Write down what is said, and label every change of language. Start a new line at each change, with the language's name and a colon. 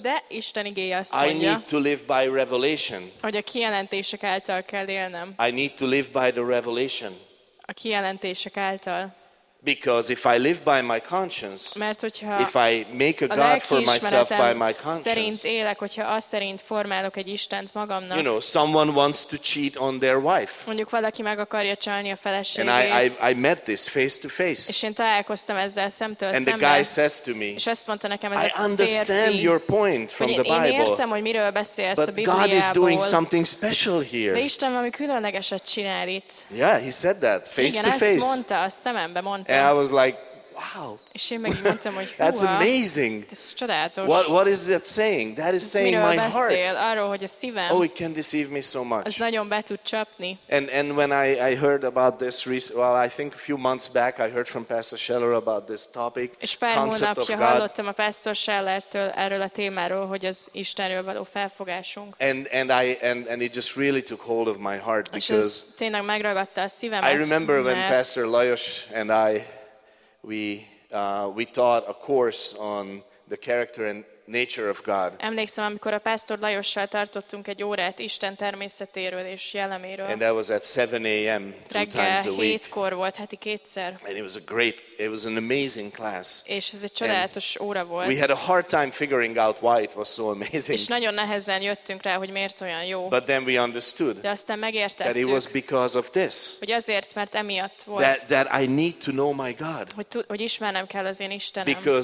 Hungarian: de Isten igéje azt mondja,
English: I need to live by revelation.
Hungarian: Hogy a kijelentések által kell élnem.
English: I need to live by the revelation.
Hungarian: A kijelentések által.
English: Because if I live by my conscience,
Hungarian: mert hogyha
English: if I make a God for myself by my conscience,
Hungarian: szerint élek, hogyha az szerint formálok egy Istent magamnak,
English: you know, someone wants to cheat on their wife.
Hungarian: Mondjuk valaki meg akarja csalni a feleségét.
English: And I met this face to face.
Hungarian: És én találkoztam ezzel szemtől szembe.
English: And the guy says to me,
Hungarian: és azt mondta nekem ez a férfi,
English: I understand your point from the Bible.
Hungarian: Én értem, hogy miről beszélsz a Bibliából.
English: But God is doing something special here.
Hungarian: De Isten valami különlegeset csinál itt.
English: Yeah, he said that face to face.
Hungarian: Igen, ezt mondta, azt szemembe mondta.
English: And I was like, wow. That's amazing. What is that saying? That is saying my heart.
Hungarian: Arról, hogy a szívem.
English: Oh, it can deceive me so much.
Hungarian: Az nagyon be tud csapni.
English: And when I heard about this, well, I think a few months back, I heard from Pastor Scheller about this topic, concept of God.
Hungarian: Hallottam a Pastor Schellertől erről a témáról, hogy az Istenről való felfogásunk.
English: And it just really took hold of my heart because
Hungarian: tényleg megragadta a szívemet.
English: I remember when Pastor Lajos and I we taught a course on the character and nature of God.
Hungarian: Emlékszem, amikor a Pásztor Lajossal tartottunk egy órát Isten természetéről és jelleméről.
English: And that was at 7 a.m. two times a week.
Hungarian: Hétkor volt, heti kétszer.
English: And it was a great, it was an amazing class.
Hungarian: És ez egy csodálatos óra volt.
English: We had a hard time figuring out why it was so amazing.
Hungarian: És nagyon nehezen jöttünk rá, hogy miért olyan jó.
English: But then we understood.
Hungarian: De aztán megértettük.
English: That it was because of this.
Hungarian: Hogy azért, mert emiatt volt.
English: That I need to know my God.
Hungarian: Hogy ismernem kell az én Istenem.